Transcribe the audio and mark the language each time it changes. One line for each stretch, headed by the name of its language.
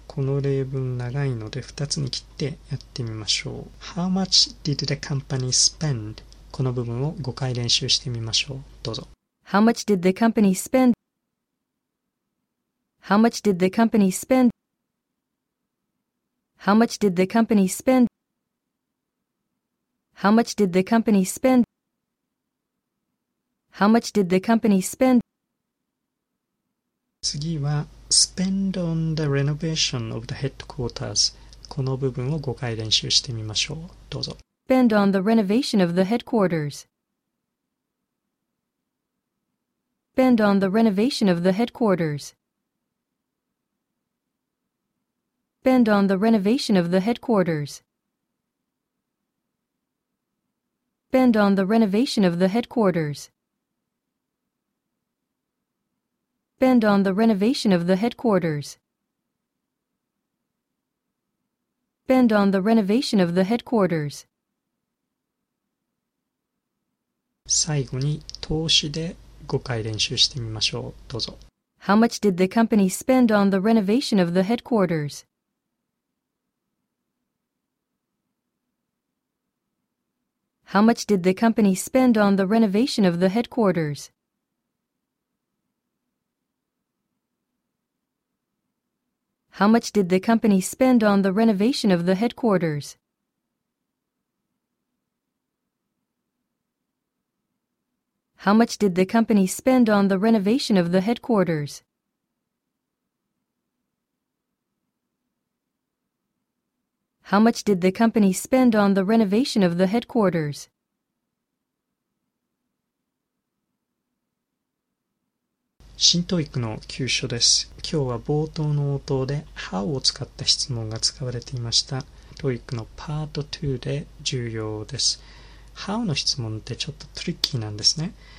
Japanese: この例文長いので2つに切ってやってみましょう。
English: How much did the company spend?
Japanese: この部分を5回練習してみましょう。どうぞ。
English: How much did the company spendHow much did the company spend? How much did the company spend? How much did the company spend? How much did the company spend?
Japanese: 次は
English: spend on the renovation of the headquarters.
Japanese: この部分を5回練習してみましょう。どうぞ。
English: Spend on the renovation of the headquarters. Spend on the renovation of the headquarters. Spend on the renovation of the headquarters. Spend on the renovation of the headquarters. Spend on the renovation of the headquarters. Spend on the renovation of the headquarters.
Japanese: 最後に投資で5回練習してみましょう。どうぞ。
English: How much did the company spend on the renovation of the headquarters? How much did the company spend on the renovation of the headquarters? How much did the company spend on the renovation of the headquarters? How much did the company spend on the renovation of the headquarters? How much did the company spend on the renovation of the headquarters?
Japanese: 新トイックの急所です。今日は冒頭の応答で How を使った質問が使われていました。トイックのパート2で重要です。How の質問ってちょっとトリッキーなんですね。